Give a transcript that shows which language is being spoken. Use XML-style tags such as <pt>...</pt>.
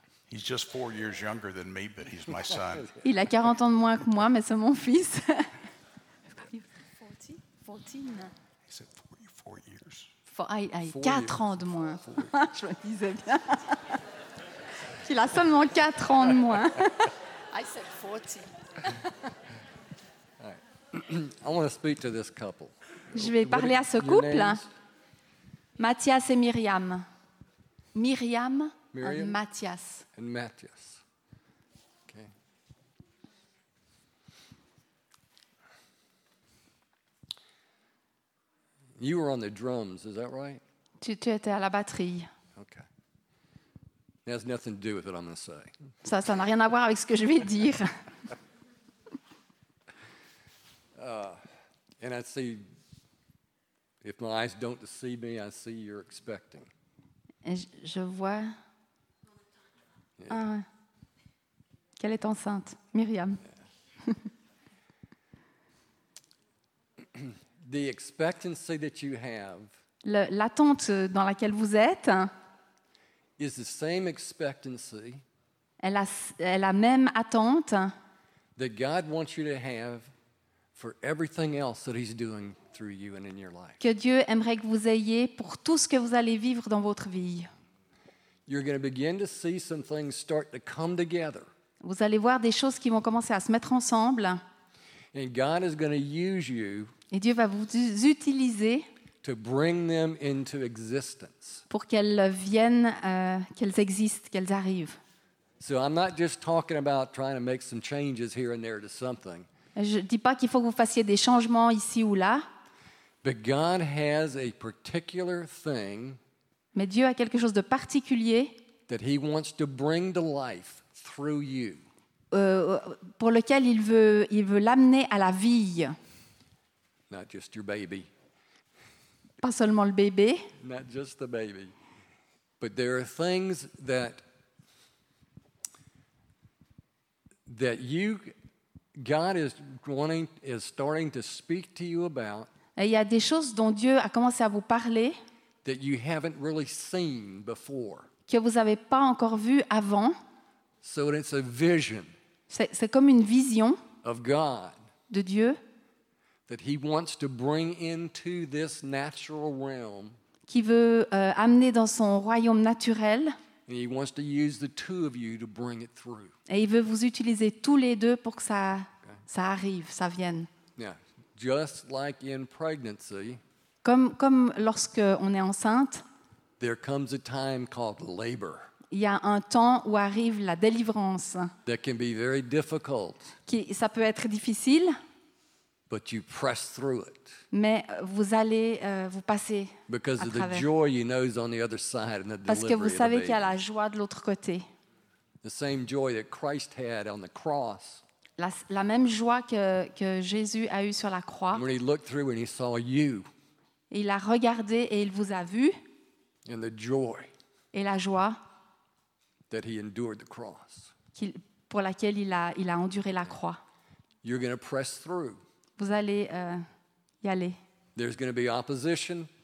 <en>He's just 4 years younger than me, but he's my son.</en> <fr>Il a 40 ans de moins que moi, mais c'est mon fils. 4 ans de moins. Je me disais bien. Il a seulement 4 ans de moins.</fr> <en>I said 40. All right. I want to speak to this couple.</en> <fr>Je vais parler à ce couple. Mathias et Myriam. Myriam et Mathias.</fr> <en>And Mathias. Okay. You were on the drums, is that right?</en> <fr>Tu étais à la batterie.</fr> <en>Okay. It has nothing to do with what I'm going to say.</en> <fr>Ça n'a rien à voir avec ce que je vais dire.</fr> <en>And I see, if my eyes don't deceive me, I see you're expecting.</en> <fr>Et je vois.</fr> <en>Yeah.</en> <fr>Qu'elle est enceinte, Myriam.</fr> <en>Yeah. The expectancy that you have,</en> <fr>l'attente dans laquelle vous êtes,</fr> <en>is the same expectancy.</en> <fr>Elle a même attente.</fr> <en>That God wants you to have for everything else that He's doing through you and in your life.</en> <fr>Que Dieu aimerait que vous ayez pour tout ce que vous allez vivre dans votre vie.</fr> <en>You're going to begin to see some things start to come together.</en> <fr>Vous allez voir des choses qui vont commencer à se mettre ensemble.</fr> <en>And God is going to use you.</en> <fr>Et Dieu va vous utiliser.</fr> <en>To bring them into existence.</en> <fr>Pour qu'elles viennent, qu'elles existent, qu'elles arrivent.</fr> <en>So I'm not just talking about trying to make some changes here and there to something.</en> <fr>Je dis pas qu'il faut que vous fassiez des changements ici ou là.</fr> <en>But God has a particular thing.</en> <fr>Mais Dieu a quelque chose de particulier.</fr> <en>That He wants to bring to life through you.</en> <fr>Pour lequel il veut l'amener à la vie.</fr> <en>Not just your baby.</en> <fr>Pas seulement le bébé.</fr> <en>Not just the baby. But there are things that you, God is starting to speak to you about.</en> <fr>Et il y a des choses dont Dieu a commencé à vous parler.</fr> <en>That you haven't really seen before.</en> <fr>Que vous avez pas encore vu avant.</fr> <en>So it's a vision.</en> <fr>C'est comme une vision.</fr> <en>Of God.</en> <fr>De Dieu.</fr> <en>That He wants to bring into this natural realm.</en> <fr>Qui veut amener dans son royaume naturel.</fr> <en>And He wants to use the two of you to bring it through.</en> <fr>Et il veut vous utiliser tous les deux pour que ça arrive, ça vienne.</fr> <en>Yeah, just like in pregnancy,</en> <fr>comme lorsque on est enceinte,</fr> <en>there comes a time called labor.</en> <fr>Il y a un temps où arrive la délivrance.</fr> <en>That can be very difficult.</en> <fr>Ça peut être difficile.</fr> <en>But you press through it.</en> <fr>Mais vous allez vous passer</fr> <en>because</en> <fr>à</fr> <en>of</en> <fr>travers.</fr> <en>The joy you know is on the other side and the delivery.</en> <fr>Parce que vous savez qu'il y a la joie de l'autre côté.</fr> <en>The same joy that Christ had on the cross.</en> <fr>La même joie que Jésus a eu sur la croix.</fr> <en>And when He looked through and He saw you.</en> <fr>Il a regardé et il vous a vu.</fr> <en>And the joy.</en> <fr>Et la joie.</fr> <en>That He endured the cross.</en> <fr>Pour laquelle il a enduré la croix.</fr> <en>You're going to press through.</en> <fr>Vous allez y aller.</fr> <en>There's going to be opposition.</en>